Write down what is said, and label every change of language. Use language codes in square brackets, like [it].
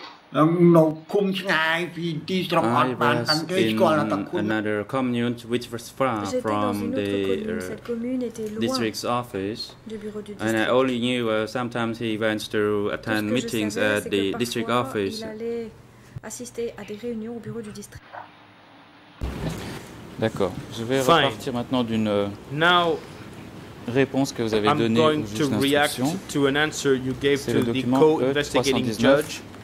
[en] Another commune which was far from the district's office, and I only knew sometimes he went to attend meetings at the district office. [fr] Assister à des réunions au bureau du district. D'accord. Je vais repartir maintenant d'une réponse que vous avez donnée au juge d'instruction. [en] To an answer you gave to the co-investigating judge.